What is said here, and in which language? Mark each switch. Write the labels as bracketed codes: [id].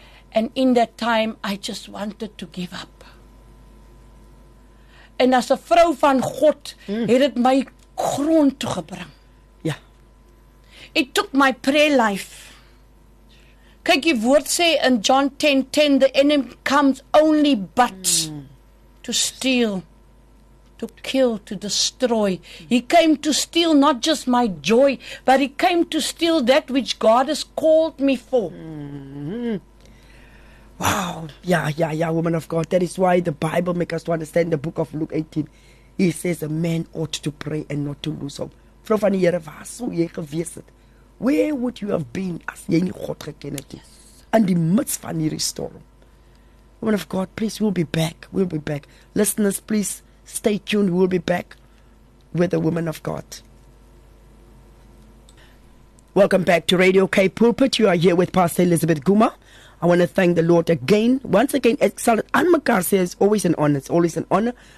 [en] And in that time, I just wanted to give up. [af] En as 'n vrou van God, het dit my grond toe gebring. Ja. [en] It took my prayer life. [af] Kyk, die woord sê in John 10:10, [en] the enemy comes only but to steal. To kill, to destroy. He came to steal not just my joy, but he came to steal that which God has called me for. Mm-hmm. Wow. Yeah, woman of God. That is why the Bible makes us to understand the book of Luke 18. He says a man ought to pray and not to lose hope. [af] Vrou van die Here, waar sou jy gewees het? [en] Where would you have been [af] as jy nie God geken het? In die midst van hierdie storm. [en] Woman of God, please, we'll be back. Listeners, please, stay tuned, we'll be back with the woman of God. Welcome back to Radio K Pulpit. You are here with Pastor Elizabeth Guma. I want to thank the Lord again. Once again, Exalted Anne Makar says, always an honor. It's always an honor.